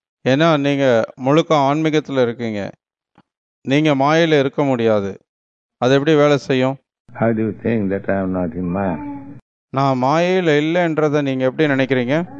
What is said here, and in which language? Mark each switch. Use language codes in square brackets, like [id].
[ta] ஏன்னா நீங்கள் முழுக்க ஆன்மீகத்தில் இருக்கீங்க, நீங்கள் மாயையில் இருக்க முடியாது. அது எப்படி வேலை செய்யும்? [en] How do you think that I am not in Maya? [ta] நான் மாயையில் இல்லைன்றதை நீங்கள் எப்படி நினைக்கிறீங்க?